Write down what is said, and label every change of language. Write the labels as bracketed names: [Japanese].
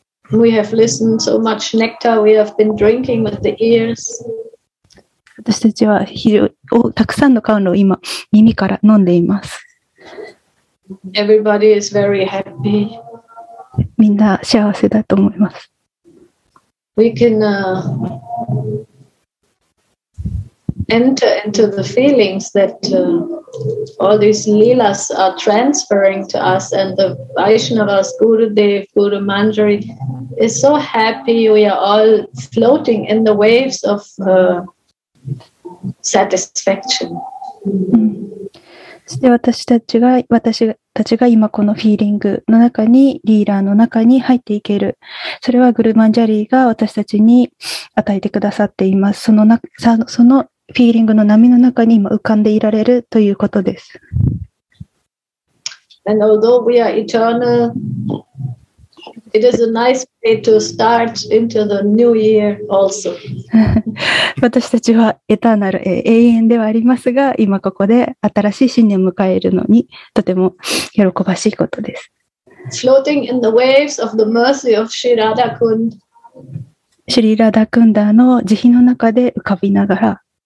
[English] We have listened so much nectar. We have been drinking with the ears. [Japanese] 私たちは非常たくさんの甘露を今耳から飲んでいます。 [English] Everybody is very happy. [Japanese] みんな幸せだと思います。 [English] We can, enter into the feelings that, all these lilas are transferring to us and the Vaishnavas, Gurudev, Guru Manjari is so happy. We are all floating in the waves of, satisfaction. [Japanese] そして私たちが今このフィーリングの中にリーラーの中に入っていける、それはグルマンジャリーが私たちに与えてくださっています。そのフィーリングの波の中に今浮かんでいられるということです。 [English] And although we are eternal, it is a nice way to start into the new year also. [Japanese] 私たちはエターナル、永遠ではありますが、今ここで新しい新年を迎えるのにとても喜ばしいことです。 [English] Floating in the waves of the mercy of Shri Radhakund. [Japanese] シリラダクンダの慈悲の中で浮かびながら、